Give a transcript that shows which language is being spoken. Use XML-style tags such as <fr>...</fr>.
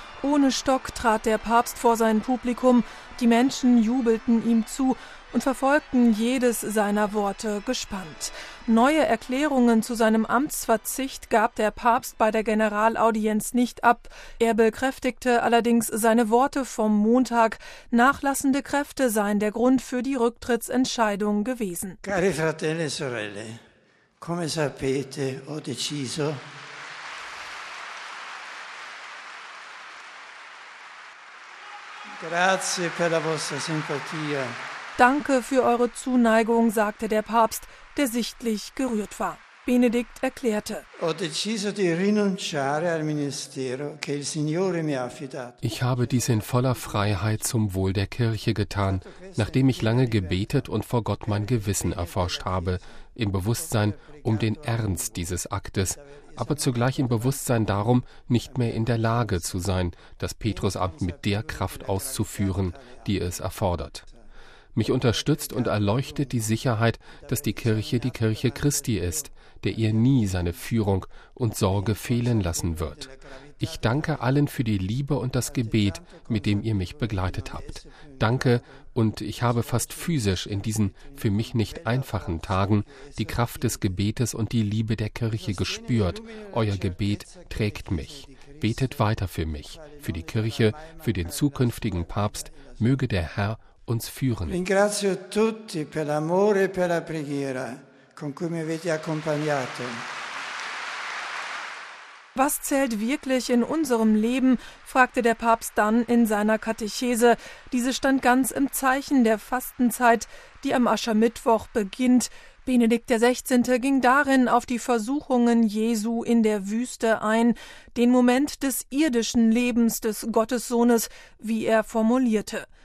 <de>Ohne Stock trat der Papst vor sein Publikum, die Menschen jubelten ihm zu und verfolgten jedes seiner Worte gespannt. Neue Erklärungen zu seinem Amtsverzicht gab der Papst bei der Generalaudienz nicht ab. Er bekräftigte allerdings seine Worte vom Montag, nachlassende Kräfte seien der Grund für die Rücktrittsentscheidung gewesen.</de> <it>Cari fratelli e sorelle, come sapete, ho deciso. Grazie per la vostra simpatia.</it> <de>Danke für eure Zuneigung, sagte der Papst, der sichtlich gerührt war. Benedikt erklärte: Ich habe dies in voller Freiheit zum Wohl der Kirche getan, nachdem ich lange gebetet und vor Gott mein Gewissen erforscht habe, im Bewusstsein um den Ernst dieses Aktes, aber zugleich im Bewusstsein darum, nicht mehr in der Lage zu sein, das Petrusamt mit der Kraft auszuführen, die es erfordert. Mich unterstützt und erleuchtet die Sicherheit, dass die Kirche Christi ist, der ihr nie seine Führung und Sorge fehlen lassen wird. Ich danke allen für die Liebe und das Gebet, mit dem ihr mich begleitet habt. Danke, und ich habe fast physisch in diesen für mich nicht einfachen Tagen die Kraft des Gebetes und die Liebe der Kirche gespürt. Euer Gebet trägt mich. Betet weiter für mich, für die Kirche, für den zukünftigen Papst. Möge der Herr uns führen.</de> <it>Ringrazio tutti per l'amore e per la preghiera con cui mi avete accompagnato.</it> <de>Was zählt wirklich in unserem Leben, fragte der Papst dann in seiner Katechese. Diese stand ganz im Zeichen der Fastenzeit, die am Aschermittwoch beginnt. Benedikt XVI. Ging darin auf die Versuchungen Jesu in der Wüste ein, den Moment des irdischen Lebens des Gottessohnes, wie er formulierte.</de>